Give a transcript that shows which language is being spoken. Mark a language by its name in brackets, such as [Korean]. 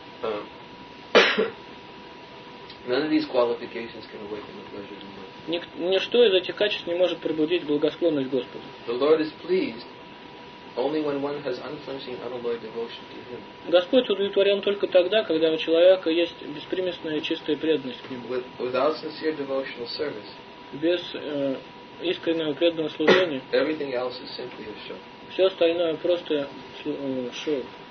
[English] None of these qualifications can awaken the pleasure of the Lord. [Russian] Ничто из этих качеств не может пробудить благосклонность Господа. [English] The Lord is pleased only when one has unflinching, unalloyed devotion to Him. [Russian] Господь удовлетворен только тогда, когда у человека есть беспримесная чистая преданность к Нему. [English] Without sincere devotional service. [Russian] Без искреннего преданного служения. [English] Everything else is simply a show. [Russian] Все остальное просто шоу.